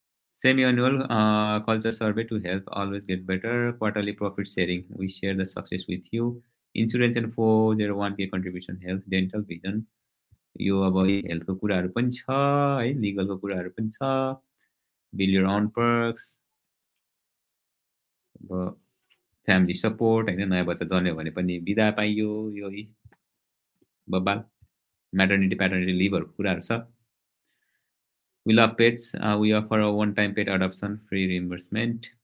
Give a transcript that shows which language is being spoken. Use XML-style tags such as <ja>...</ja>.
<en>semi-annual culture survey to help always get better, quarterly profit sharing, we share the success with you, insurance and 401k contribution, health, dental, vision, you about health</en> <ne>ko kura haru pani cha,</ne> <en>legal</en> <ne>ko kura haru pani cha,</ne> <en>build your own perks, family support,</en> <ne>naya bachcha janyo bhane pani bida paiyo, yo बब्बाल maternity paternity लिभहरूको कुराहरू छ.</ne> <en>We love pets, we offer a one time pet adoption free reimbursement.</en>